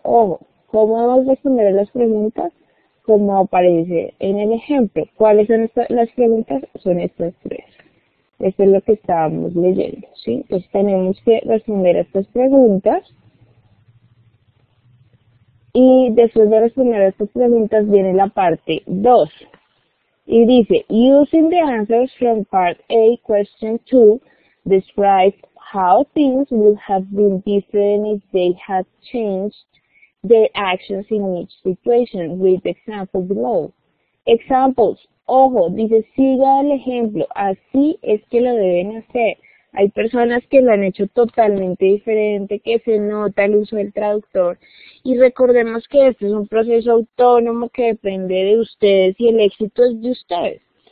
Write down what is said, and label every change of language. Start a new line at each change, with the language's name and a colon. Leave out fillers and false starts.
Spanish: Ojo, ¿cómo vamos a responder las preguntas? Como aparece en el ejemplo. ¿Cuáles son las preguntas? Son estas tres. Esto es lo que estábamos leyendo, ¿sí? Entonces tenemos que responder a estas preguntas. Y después de responder a estas preguntas viene la parte 2. Y dice,
English: Using the answers from part A, question 2, describe how things would have been different if they had changed their actions in each situation with examples below. Examples.
Spanish: Ojo, dice, siga el ejemplo, así es que lo deben hacer. Hay personas que lo han hecho totalmente diferente, que se nota el uso del traductor. Y recordemos que este es un proceso autónomo que depende de ustedes y el éxito es de ustedes.